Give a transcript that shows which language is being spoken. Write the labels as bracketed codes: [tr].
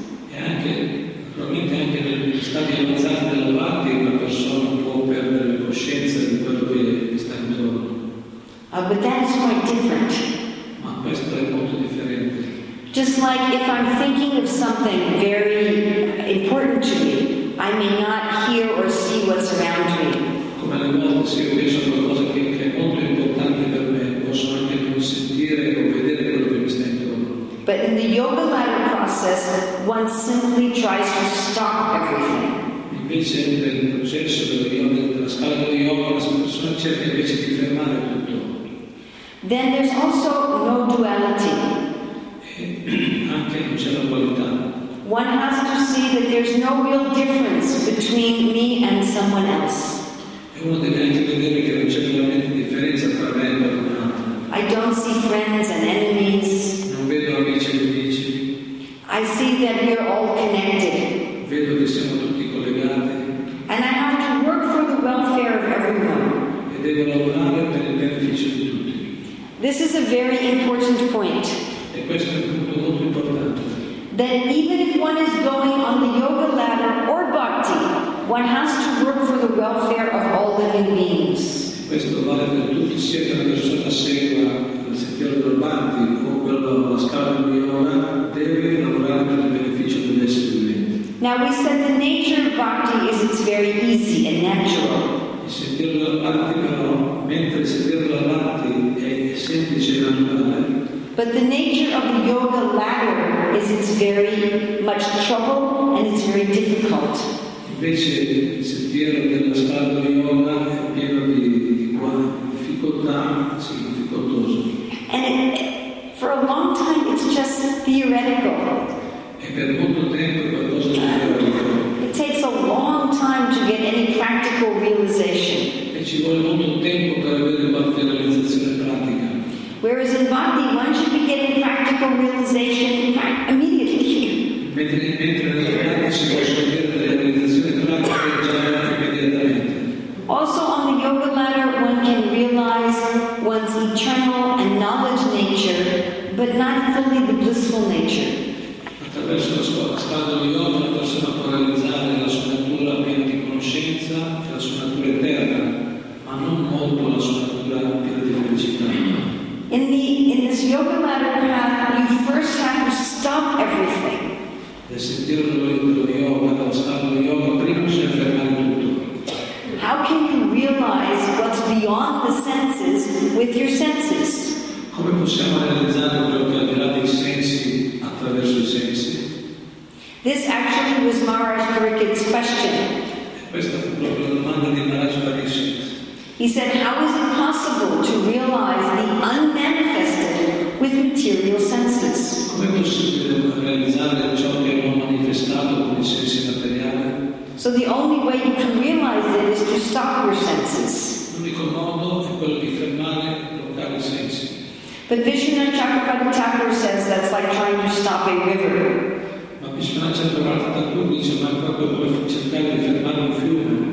[it] E anche, probabilmente anche negli stadi avanzati della bhakti, una persona può perdere la coscienza di quello che sta intorno. [en] But that's quite different. [it] Ma questo è molto differente. [en] Just like if I'm thinking of something very important to me, I may not hear or see what's around me. [it] Come alle volte se io penso a qualcosa che è molto importante per me, posso anche non sentire o vedere quello che mi sta intorno. [en] But in the yoga ladder process, one simply tries to stop everything. [it] Invece nel processo della scala di yoga, la persona cerca invece di fermare tutto. [en] Then there's also no duality. [it] Anche non c'è la qualità. [en] One has to see that there's no real difference between me and someone else. [it] E uno deve anche vedere che non c'è veramente differenza tra me e qualcun altro. [en] I don't see friends and enemies. [it] Non vedo amici e nemici. [en] I see that we are all connected. [it] Vedo che siamo tutti collegati. [en] And I have to work for the welfare of everyone. [it] E devo lavorare per il beneficio di tutti. [en] This is a very important point. [it] E questo è un punto molto importante. [en] That even if one is going on the yoga ladder or bhakti, one has to work for the welfare of all living beings. [it] Questo vale per tutti, sia che la persona segua il sentiero del bhakti o quello della scala di yoga, deve lavorare per il beneficio degli esseri viventi. [en] Now we said the nature of bhakti is it's very easy and natural. [it] Il sentiero del bhakti però, mentre il sentiero del bhakti è semplice e naturale. [en] But the nature of the yoga ladder is it's very much trouble and it's very difficult. [it] Invece il sentiero della scala di yoga è pieno di difficoltà, sì, difficoltoso. [en] And for a long time it's just theoretical. [it] E per molto tempo è qualcosa di teorico. [en] It takes a long time to get any practical realization. [it] E ci vuole molto tempo per avere qualche realizzazione pratica. [en] Whereas in Bhakti, one should be getting practical realization immediately. [it] Mentre nel Bhakti si può ottenere la realizzazione pratica già immediatamente. [en] Also on the yoga ladder, one can realize one's eternal and knowledge nature, but not fully the blissful nature. [it] Attraverso la scala di yoga, una persona può realizzare la sua natura piena di conoscenza, la sua natura eterna, ma non molto la sua natura piena di felicità. [en] In this yoga ladder path, you first have to stop everything. [it] Nel sentiero dello yoga, dal stato di yoga, prima bisogna fermare tutto. [en] How can you realize what's beyond the senses with your senses? [it] Come possiamo realizzare quello che è al di là dei sensi attraverso i sensi? [en] This actually was Maharaj Parikit's question. [it] Questa fu proprio la domanda di Maharaj Parikit. [en] He said, how is it possible to realize the unmanifested with material senses? [it] Come è possibile realizzare ciò che non manifestato con i sensi materiali? [en] So the only way you can realize it is to stop your senses. [it] L'unico modo è quello di fermare, bloccare i sensi. [en] But Vishnu Chakravarti Thakur says that's like trying to stop a river. [it] Ma Vishnu Chakravarti Thakur dice, ma è proprio come cercare di fermare un fiume.